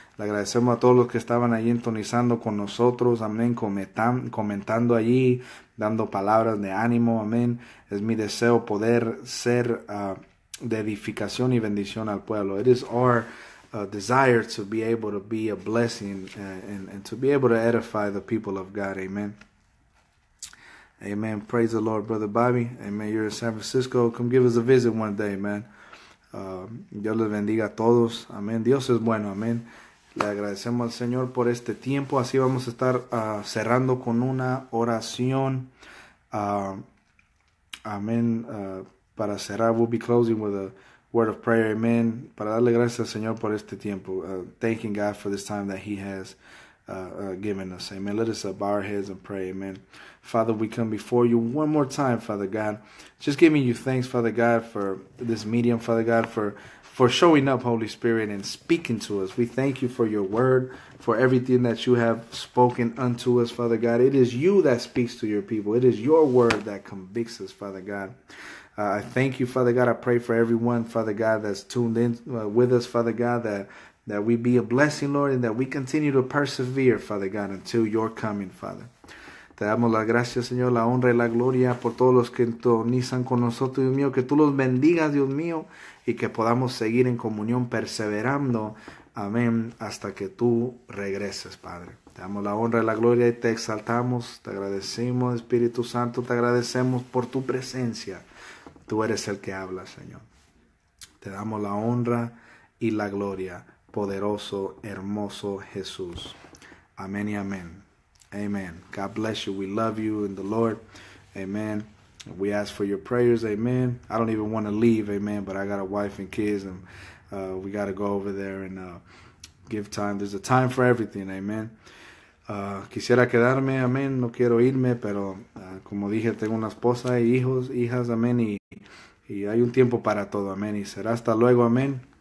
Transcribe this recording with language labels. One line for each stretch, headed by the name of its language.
Spanish: Le agradecemos a todos los que estaban ahí entonizando con nosotros, amén, comentando allí, dando palabras de ánimo, amén. Es mi deseo poder ser de edificación y bendición al pueblo.
English: It is our desire to be able to be a blessing and to be able to edify the people of God, amen. Amen. Praise the Lord, Brother Bobby. Amen. You're in San Francisco. Come give us a visit one day, man.
Spanish: Dios les bendiga a todos,
English: amén.
Spanish: Dios es bueno, amén. Le agradecemos al Señor por este tiempo. Así vamos a estar cerrando con una oración. Amén. Para cerrar,
English: we'll be closing with a word of prayer.
Spanish: Amén. Para darle gracias al Señor por este tiempo.
English: Thanking God for this time that He has given us. Amen. Let us bow our heads and pray. Amen. Father, we come before you one more time, Father God. Just giving you thanks, Father God, for this medium, Father God, for showing up, Holy Spirit, and speaking to us. We thank you for your word, for everything that you have spoken unto us, Father God. It is you that speaks to your people. It is your word that convicts us, Father God. I thank you, Father God. I pray for everyone, Father God, that's tuned in with us, Father God, that we be a blessing, Lord, and that we continue to persevere, Father God, until your coming, Father.
Spanish: Te damos las gracias, Señor, la honra y la gloria por todos los que entonizan con nosotros, Dios mío. Que tú los bendigas, Dios mío. Y que podamos seguir en comunión, perseverando, amén, hasta que tú regreses, Padre. Te damos la honra y la gloria y te exaltamos, te agradecemos, Espíritu Santo, te agradecemos por tu presencia. Tú eres el que habla, Señor. Te damos la honra y la gloria, poderoso, hermoso Jesús. Amén y amén. Amen.
English: God bless you. We love you in the Lord. Amen. We ask for your prayers, amen. I don't even want to leave, amen, but I got a wife and kids, and we got to go over there and give time. There's a time for everything, amen.
Spanish: Quisiera quedarme, amen, no quiero irme, pero como dije, tengo una esposa y hijos, hijas, amen, y hay un tiempo para todo, amen, y será hasta luego, amen.